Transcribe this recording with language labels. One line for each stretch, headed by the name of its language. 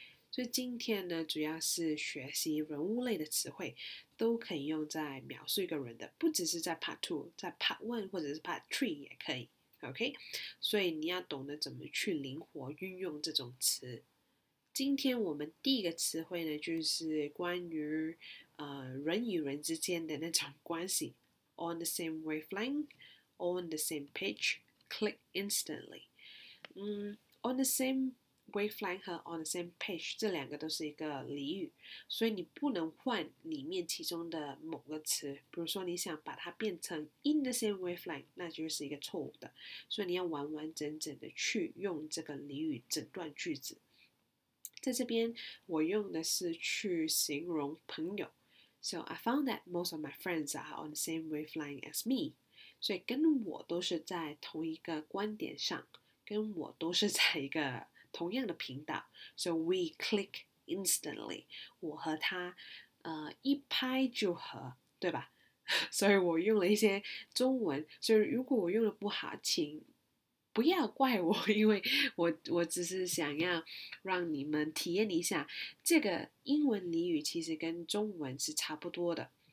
Chinese: 所以今天呢，主要是学习人物类的词汇，都可以用在描述一个人的，不只是在 part two， 在 part one 或者是 part three 也可以， okay? 所以你要懂得怎么去灵活运用这种词。今天我们第一个词汇呢，就是关于人与人之间的那种关系。
English: On the same wavelength, on the same page, click instantly.
Chinese: On the same wavelength 和 on the same page 这两个都是一个俚语，所以你不能换里面其中的某个词。比如说你想把它变成 in the same wavelength， 那就是一个错误的。所以你要完完整整的去用这个俚语整段句子。在这边我用的是去形容朋友。
English: So I found that most of my friends are on the same wavelength as me.
Chinese: 所以跟我都是在同一个观点上，跟我都是在一个同样的频道。
English: So we click instantly.
Chinese: 我和他一拍就合，对吧？所以我用了一些中文，所以如果我用的不好，请不要怪我，因为我只是想要让你们体验一下这个英文俚语，其实跟中文是差不多的。